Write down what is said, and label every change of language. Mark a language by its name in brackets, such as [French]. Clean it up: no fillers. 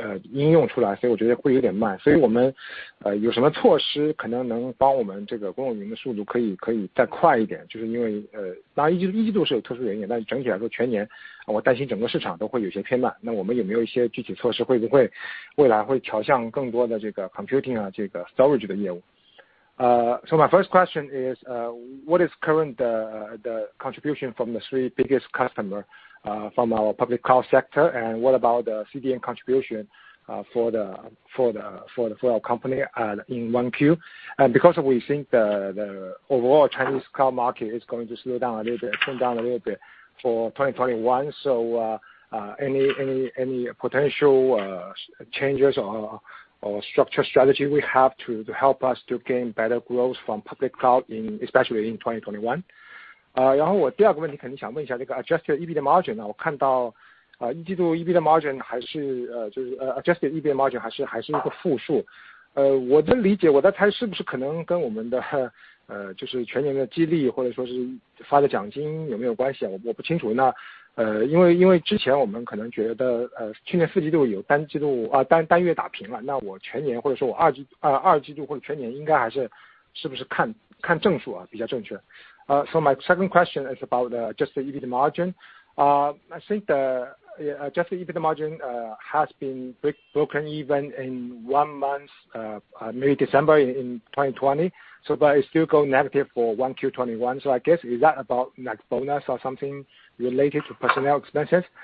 [Chinese] 应用出来，所以我觉得会有点慢，所以我们有什么措施可能能帮我们这个公有云的速度可以再快一点，就是因为当然一季度是有特殊原因，但是整体来说全年我担心整个市场都会有些偏慢，那我们有没有一些具体措施，会不会未来会调向更多的这个 computing 啊这个 storage 的业务。 [English] So my first question is, what is current the contribution from the three biggest customers from our public cloud sector, and what about the CDN contribution for our company in 1Q? And because we think the overall Chinese cloud market is going to slow down a little bit, turn down a little bit for 2021, so any potential changes or structure strategy we have to help us to gain better growth from public cloud in especially in 2021. [Chinese] 然后我第二个问题肯定想问一下这个 [English] adjusted EBITDA margin [Chinese] 呢，我看到一季度 [English] EBITDA margin [Chinese] 还是就是adjusted EBITDA margin 还是一个负数。我的理解我在猜是不是可能跟我们的就是全年的激励或者说是发的奖金有没有关系，我不清楚呢。因为之前我们可能觉得去年四季度有单季度单月打平了，那我全年或者说我二季度或者全年应该还是不是看正数啊比较正确。 [English] So my second question is about just the EBITDA margin. I think the adjusted EBITDA margin has been broken even in 1 month, maybe December in 2020. So, but it still go negative for 1Q21. So I guess, is that about like bonus or something related to personnel expenses?